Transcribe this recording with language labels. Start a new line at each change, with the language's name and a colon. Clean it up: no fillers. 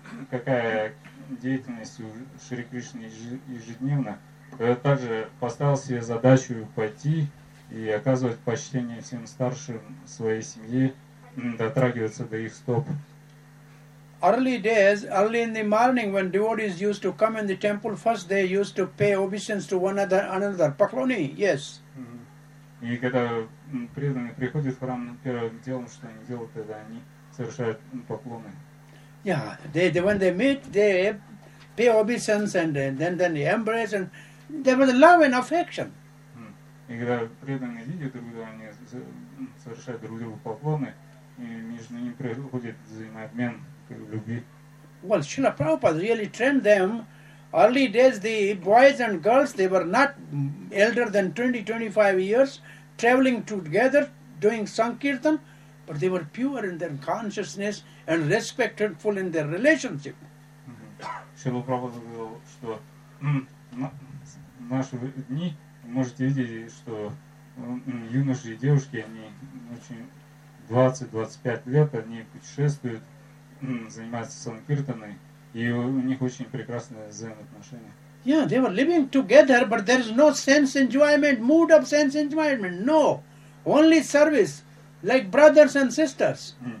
Russian: Какая деятельность у Шри Кришны ежедневно, также поставил себе задачу пойти и оказывать почтение всем старшим своей семье, дотрагиваться до их стоп.
English: Early days, early in the morning, when devotees used to come in the temple, first they used to pay obeisance to one another.
Russian: Поклони, yes. И когда преданные приходят в храм, первым делом, что они делают, это они совершают поклоны.
English: Yeah, they when they meet, they pay obeisance and then they embrace and there was love and affection.
Russian: И когда преданные видят друг друга, они совершают друг другу поклоны, и между ними происходит взаимообмен любви.
English: Well, Srila Prabhupada really trained them. Early days, the boys and girls, they were not elder than 20-25 years, traveling together, doing Sankirtan. But they were pure in their consciousness and respectful in their relationship.
Russian: Шрила Прабхупада говорил, что в наши дни вы можете видеть, что юноши и девушки, они очень 20-25 лет, они путешествуют, занимаются санкиртаной, и у них очень прекрасные взаимоотношения.
English: Yeah, they were living together, but there is no sense enjoyment, mood of sense enjoyment, no. Only service. like brothers and sisters.